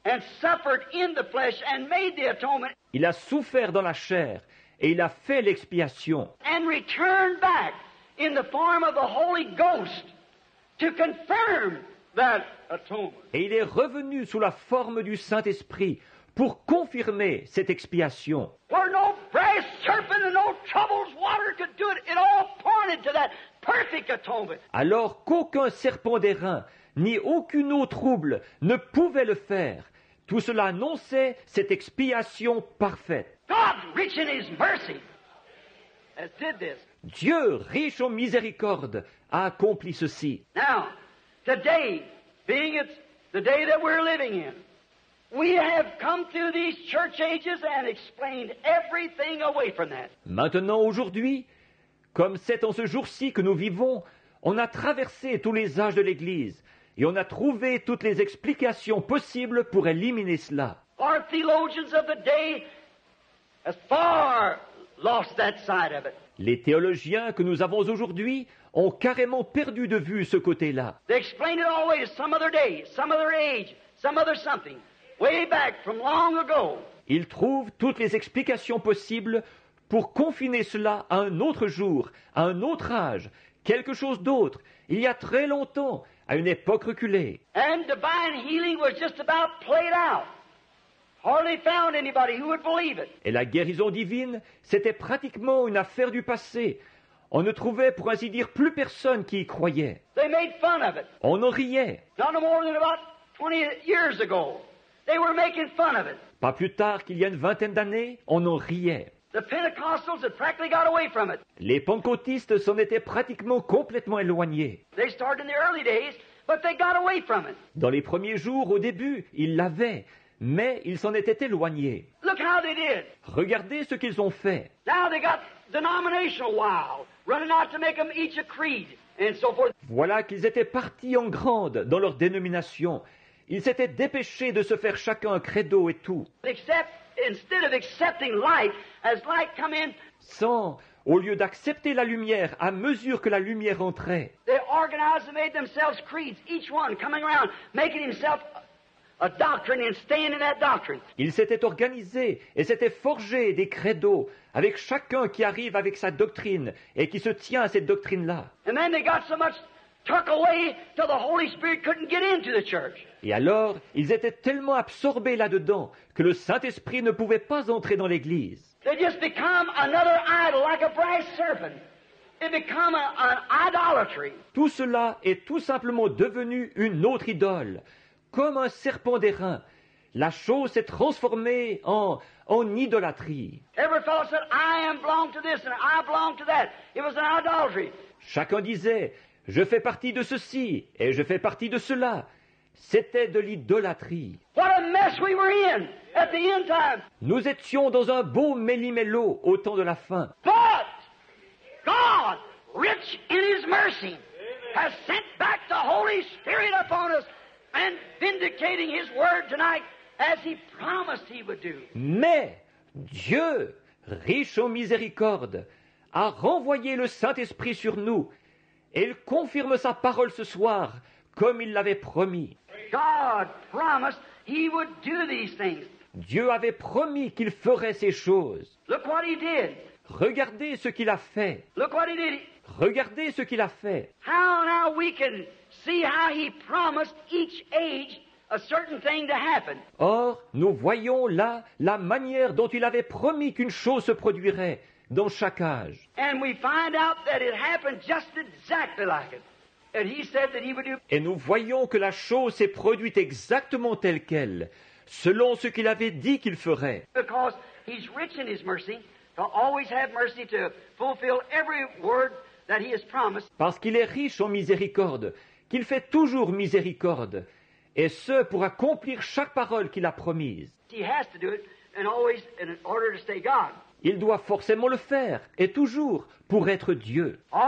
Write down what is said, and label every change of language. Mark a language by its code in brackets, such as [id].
[en] And suffered in the flesh and made the atonement. [fr] Il a souffert dans la chair et il a fait l'expiation. [en] And returned back in the form of the Holy Ghost. To confirm that atonement. [fr] Et il est revenu sous la forme du Saint-Esprit pour confirmer cette expiation. [en] Where no brass serpent and no troubled water could do it, it all pointed to that perfect atonement. [fr] Alors qu'aucun serpent d'airain ni aucune eau trouble ne pouvait le faire, tout cela annonçait cette expiation parfaite. [en] God, rich in his mercy, has did this. [fr] Dieu, riche en miséricorde, a accompli ceci. [en] Now, today, being it's the day that we're living in, we have come through these church ages and explained everything away from that. [fr] Maintenant, aujourd'hui, comme c'est en ce jour-ci que nous vivons, on a traversé tous les âges de l'Église et on a trouvé toutes les explications possibles pour éliminer cela. [en] Our theologians of the day have far lost that side of it. [fr] Les théologiens que nous avons aujourd'hui ont carrément perdu de vue ce côté-là. [en] They explained it always some other day, some other age, some other something, way back from long ago. [fr] Ils trouvent toutes les explications possibles pour confiner cela à un autre jour, à un autre âge, quelque chose d'autre, il y a très longtemps, à une époque reculée. [en] And divine healing was just about played out. Hardly found anybody who would believe it. [fr] Et la guérison divine, c'était pratiquement une affaire du passé. On ne trouvait, pour ainsi dire, plus personne qui y croyait. [en] They made fun of it. [fr] On en riait. [en] Not more than about 20 years ago, they were making fun of it. [fr] Pas plus tard qu'il y a une vingtaine d'années, on en riait. [en] The Pentecostals had practically got away from it. [fr] Les pentecôtistes s'en étaient pratiquement complètement éloignés. [en] They started in the early days, but they got away from it. [fr] Dans les premiers jours, au début, ils l'avaient. mais ils s'en étaient éloignés. [en] Look how they did. [fr] Regardez ce qu'ils ont fait. [en] Now they got denominational wild, running out to make them each a creed and so forth. [fr] Voilà qu'ils étaient partis en grande dans leur dénomination. Ils s'étaient dépêchés de se faire chacun un credo et tout. [en] Except, instead of accepting light, as light come in, [fr] sans, au lieu d'accepter la lumière à mesure que la lumière entrait, [en] they organized and made themselves creeds, each one coming around, making himself a doctrine and staying in that doctrine. [fr] Ils s'étaient organisés et s'étaient forgés des credos avec chacun qui arrive avec sa doctrine et qui se tient à cette doctrine-là. [en] And then they got so much tucked away till the Holy Spirit couldn't get into the church. [fr] Et alors, ils étaient tellement absorbés là-dedans que le Saint-Esprit ne pouvait pas entrer dans l'église. [en] They just become another idol like a brass serpent. It became an idolatry. [fr] Tout cela est tout simplement devenu une autre idole. Comme un serpent d'airain, la chose s'est transformée en idolatrie. [en] Every fellow said, I belong to this and I belong to that. It was an idolatry. [fr] Chacun disait, je fais partie de ceci et je fais partie de cela. C'était de l'idolâtrie. [en] What a mess we were in at the end time. [fr] Nous étions dans un beau méli-mélo au temps de la fin. [en] But God, rich in his mercy, has sent back the Holy Spirit upon us and vindicating his word tonight as he promised he would do. [fr] Mais Dieu, riche en miséricorde, a renvoyé le Saint-Esprit sur nous. Et il confirme sa parole ce soir, comme il l'avait promis. [en] God promised he would do these things. [fr] Dieu avait promis qu'il ferait ces choses. [en] Look what he did. [fr] Regardez ce qu'il a fait. [en] Look what he did. [fr] Regardez ce qu'il a fait. [en] How we can see how he promised each age a certain thing to happen. [fr] Or, nous voyons là la manière dont il avait promis qu'une chose se produirait. Dans chaque âge. [en] And we find out that it happened just exactly like it. And he said that he would do. [fr] Et nous voyons que la chose s'est produite exactement telle quelle, selon ce qu'il avait dit qu'il ferait. [en] Because he's rich in his mercy, to always have mercy to fulfill every word that he has promised. [fr] Parce qu'il est riche en miséricorde, qu'il fait toujours miséricorde, et ce pour accomplir chaque parole qu'il a promise. [en] He has to do it, and always in order to stay God. [fr] Il doit forcément le faire, et toujours, pour être Dieu.